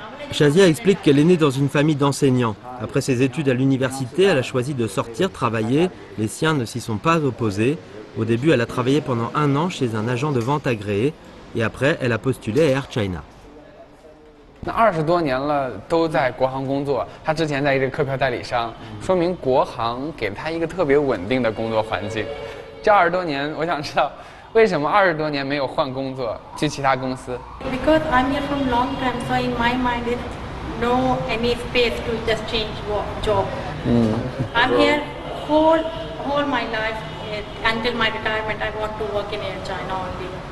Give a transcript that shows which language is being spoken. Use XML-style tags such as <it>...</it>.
<fr>Shazia explique qu'elle est née dans une famille d'enseignants. Après ses études à l'université, elle a choisi de sortir travailler. Les siens ne s'y sont pas opposés. Au début, elle a travaillé pendant un an chez un agent de vente agréé. Et après, elle a postulé à Air China.</fr> <zh>那二十多年了都在国航工作，他之前在一个客票代理商，说明国航给他一个特别稳定的工作环境。这二十多年，我想知道为什么二十多年没有换工作，去其他公司。</zh> <en>Because I'm here from long time, so in my mind it's no any space to just change job. I'm here whole my life until my retirement. I want to work in Air China only.</en>